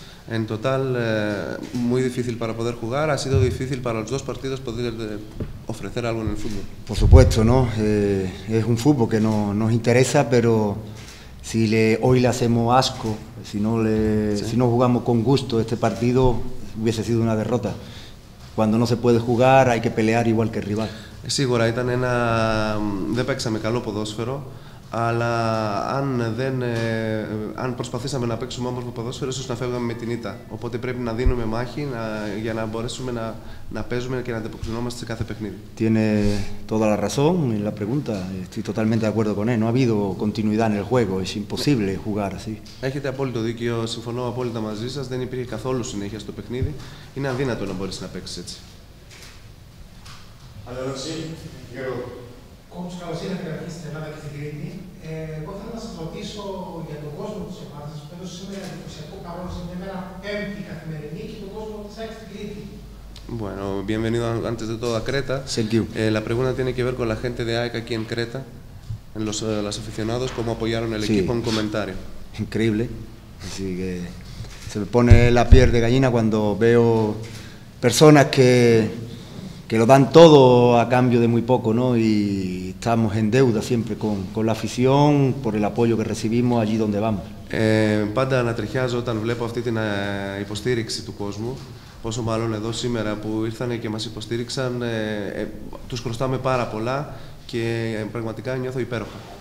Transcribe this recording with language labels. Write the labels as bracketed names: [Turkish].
[Spanish] En total, muy difícil para poder jugar. Ha sido difícil para los dos partidos poder ofrecer algo en el fútbol. Por supuesto, ¿no? Es un fútbol que no nos interesa, pero si hoy le hacemos asco, si no jugamos con gusto este partido, hubiese sido una derrota. Cuando no se puede jugar, hay que pelear igual que el rival. [Greek] Σίγουρα ήταν ένα, δεν παίξαμε καλό ποδόσφαιρο, αλλά αν προσπαθήσαμε να παίξουμε όμορφο ποδόσφαιρο, ίσως να φεύγαμε με την ήττα. Οπότε πρέπει να δίνουμε μάχη για να μπορέσουμε να παίζουμε και να ανταποκρινόμαστε σε κάθε παιχνίδι. [Spanish] Tiene toda la razón en la pregunta. Estoy totalmente de acuerdo con él. No ha habido continuidad en el juego. Es imposible jugar así. [Greek] Έχετε απόλυτο δίκιο. Συμφωνώ απόλυτα μαζί σας. Δεν υπήρχε καθόλου συνέχεια στο παιχνίδι. Είναι αδύνατο να μπορέσει να παίξει έτσι. Αλλά εσύ, Γιώργο. Κόμπους, καλώς ήρθατε και αρχίσετε στην Ελλάδα και στην Κρήτη. Εγώ θέλω να σας ρωτήσω για τον κόσμο της ομάδας, που έδωσε σήμερα εντυπωσιακό καλό σε μια μέρα πέμπτη καθημερινή και τον κόσμο της ΑΕΚ στην Κρήτη. [Spanish] Bueno, bienvenido antes de todo a Creta. [English] Thank you. [Spanish] La pregunta tiene que ver con la gente de ΑΕΚ aquí en Creta, en los aficionados, cómo apoyaron el equipo, un comentario. Increíble. Así que se me pone la piel de gallina cuando veo personas que lo dan todo a cambio de muy poco, ¿no? Y estamos en deuda siempre con la afición por el apoyo que recibimos allí donde vamos. [Greek] Πάντα ανατριχιάζω όταν βλέπω αυτή την υποστήριξη του κόσμου, πόσο μάλλον εδώ σήμερα που ήρθανε και μας υποστήριξαν, τους χρωστάμε πάρα πολλά και πραγματικά νιώθω υπέροχα.